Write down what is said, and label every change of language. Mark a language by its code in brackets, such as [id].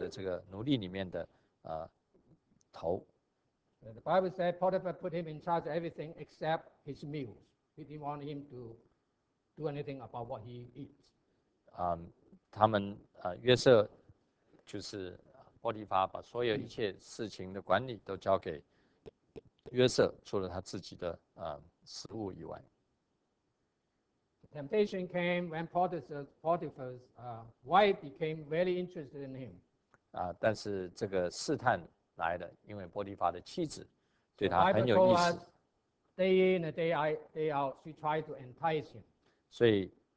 [zh] 我相信他一定是很有能力的，因为而且他也是很努力工作的人，所以他卖给波提法不久，他就被提升到波提法手这个所有的这个奴隶里面的头。 [en] The Bible said Potiphar put him in charge of everything except his meals. He didn't want him to do anything about what he eats. [zh] 他们约瑟就是波提法把所有一切事情的管理都交给约瑟，除了他自己的食物以外。 [en] The temptation came when Potiphar's wife became very interested in him. [zh] 但是这个试探来的，因为波提法的妻子。 [en] The Bible told us, day in and day out, she tried to entice him.